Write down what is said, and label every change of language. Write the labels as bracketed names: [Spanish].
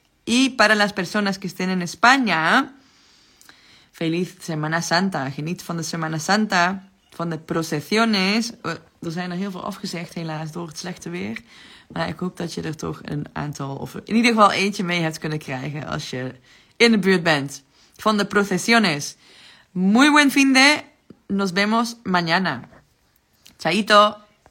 [Spanish] Y para las personas que estén en España, feliz Semana Santa. [Dutch] Geniet van de Semana Santa. van de procesiones. Er zijn er heel veel afgezegd helaas door het slechte weer. Maar ik hoop dat je er toch een aantal, of in ieder geval eentje mee hebt kunnen krijgen als je in de buurt bent van de procesiones. [Spanish] Muy buen fin de. Nos vemos mañana. Chaito.